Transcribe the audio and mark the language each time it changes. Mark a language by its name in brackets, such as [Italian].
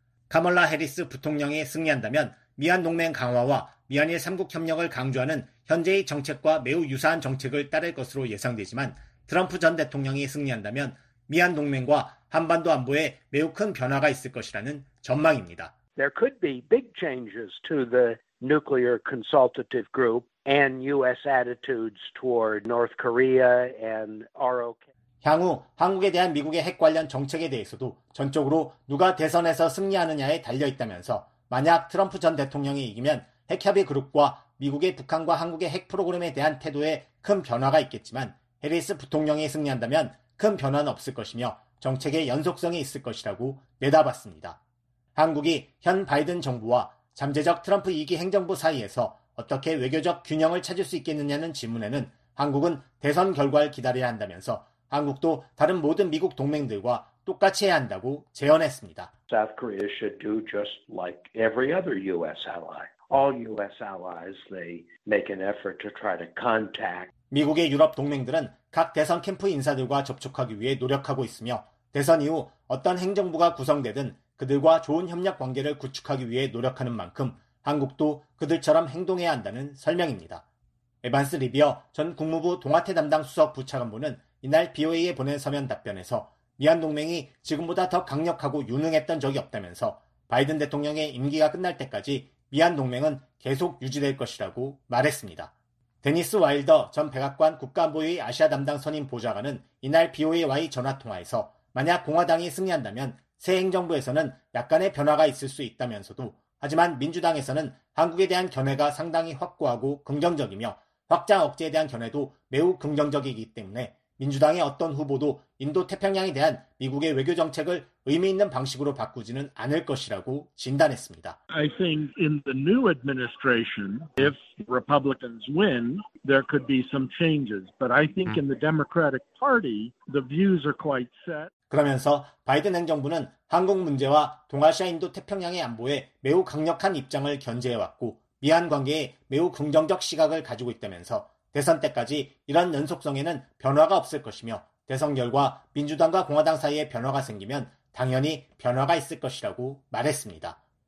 [Korean] 카멀라 해리스 부통령이 승리한다면 미한 동맹 강화와 미한일 3국 협력을 강조하는 현재의 정책과 매우 유사한 정책을 따를 것으로 예상되지만 트럼프 전 대통령이 승리한다면 미한 동맹과 한반도 안보에 매우 큰 변화가 있을 것이라는 전망입니다. [English] There could be big changes to the nuclear consultative group and U.S. attitudes toward North Korea and ROK. [Korean] 향후 한국에 대한 미국의 핵 관련 정책에 대해서도 전적으로 누가 대선에서 승리하느냐에 달려있다면서 만약 트럼프 전 대통령이 이기면 핵협의 그룹과 미국의 북한과 한국의 핵 프로그램에 대한 태도에 큰 변화가 있겠지만 해리스 부통령이 승리한다면 큰 변화는 없을 것이며 정책의 연속성이 있을 것이라고 내다봤습니다. 한국이 현 바이든 정부와 잠재적 트럼프 2기 행정부 사이에서 어떻게 외교적 균형을 찾을 수 있겠느냐는 질문에는 한국은 대선 결과를 기다려야 한다면서 한국도 다른 모든 미국 동맹들과 똑같이 해야 한다고 재언했습니다. [English] South Korea should do just like every other U.S. ally. All U.S. allies, they make an effort to try to contact. [Korean] 미국의 유럽 동맹들은 각 대선 캠프 인사들과 접촉하기 위해 노력하고 있으며 대선 이후 어떤 행정부가 구성되든 그들과 좋은 협력 관계를 구축하기 위해 노력하는 만큼 한국도 그들처럼 행동해야 한다는 설명입니다. 에반스 리비어 전 국무부 동아태 담당 수석 부차관보는 이날 BOA에 보낸 서면 답변에서 미한 동맹이 지금보다 더 강력하고 유능했던 적이 없다면서 바이든 대통령의 임기가 끝날 때까지 미한 동맹은 계속 유지될 것이라고 말했습니다. 데니스 와일더 전 백악관 국가안보위 아시아 담당 선임 보좌관은 이날 BOA와의 전화통화에서 만약 공화당이 승리한다면 새 행정부에서는 약간의 변화가 있을 수 있다면서도 하지만 민주당에서는 한국에 대한 견해가 상당히 확고하고 긍정적이며 확장 억제에 대한 견해도 매우 긍정적이기 때문에 민주당의 어떤 후보도 인도 태평양에 대한 미국의 외교 정책을 의미 있는 방식으로 바꾸지는 않을 것이라고 진단했습니다. [English] I think in the new administration, if Republicans win, there could be some changes. But I think in the Democratic Party, the views are quite set. [Korean] 그러면서 바이든 행정부는 한국 문제와 동아시아 인도 태평양의 안보에 매우 강력한 입장을 견제해왔고 미한 관계에 매우 긍정적 시각을 가지고 있다면서 대선 때까지 이런 연속성에는 변화가 없을 것이며 대선 결과 민주당과 공화당 사이에 변화가 생기면 당연히 변화가 있을 것이라고 말했습니다.